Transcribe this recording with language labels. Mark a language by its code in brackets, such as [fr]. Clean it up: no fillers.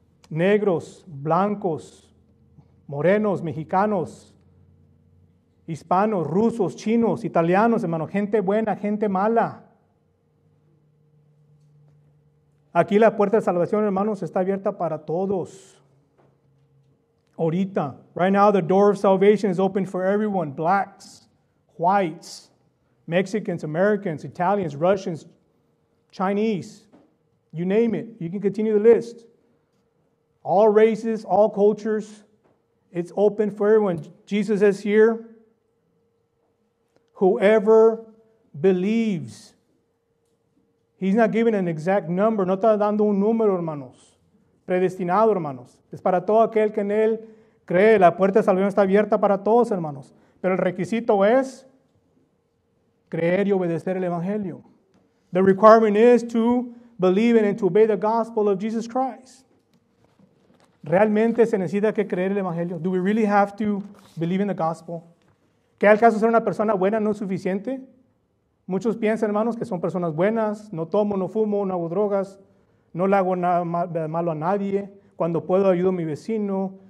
[es] Negros, blancos, morenos, mexicanos, hispanos, rusos, chinos, italianos, hermanos. Gente buena, gente mala. Aquí la puerta de salvación, hermanos, está abierta para todos. Ahorita. [en] Right now, the door of salvation is open for everyone. Blacks, whites, Mexicans, Americans, Italians, Russians, Chinese. You name it. You can continue the list. All races, all cultures. It's open for everyone. Jesus says here, whoever believes. He's not giving an exact number. [es] No está dando un número, hermanos. Predestinado, hermanos. Es para todo aquel que en él cree. La puerta de salvación está abierta para todos, hermanos. Pero el requisito es creer y obedecer el Evangelio. [en] The requirement is to believe in and to obey the gospel of Jesus Christ. [es] ¿Realmente se necesita que creer el Evangelio? [en] Do we really have to believe in the gospel? [es] ¿Que al caso ser una persona buena no es suficiente? Muchos piensan, hermanos, que son personas buenas, no tomo, no fumo, no hago drogas, no le hago nada malo a nadie, cuando puedo ayudo a mi vecino.